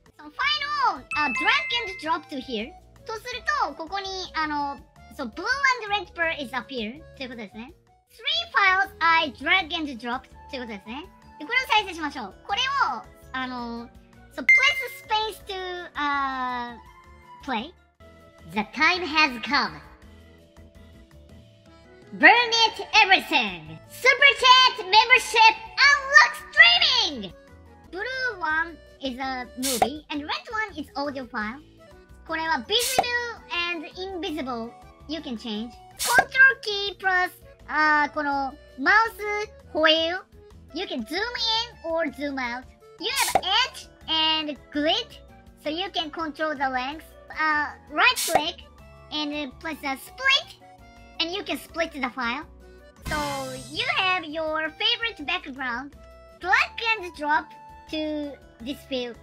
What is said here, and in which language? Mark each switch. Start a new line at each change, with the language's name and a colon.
English: So, final drag and drop to here.
Japanese: とすると、ここに、
English: So, blue and red bar is appear
Japanese: ということですね。
English: Three files I drag and drop
Japanese: ということですね。これを再生しましょう。これを、
English: So, place space to, play. The time has come. Burn it everything. Super chat membership unlock streaming. Blue one is a movie and red one is audio file.
Japanese: これは
English: visible and invisible. You can change. Control key plus,
Japanese: このマウスホイール。
English: You can zoom in or zoom out. You have edge and grid, so you can control the length. Right click and press a split, and you can split the file. So you have your favorite background. Drag and drop to this field.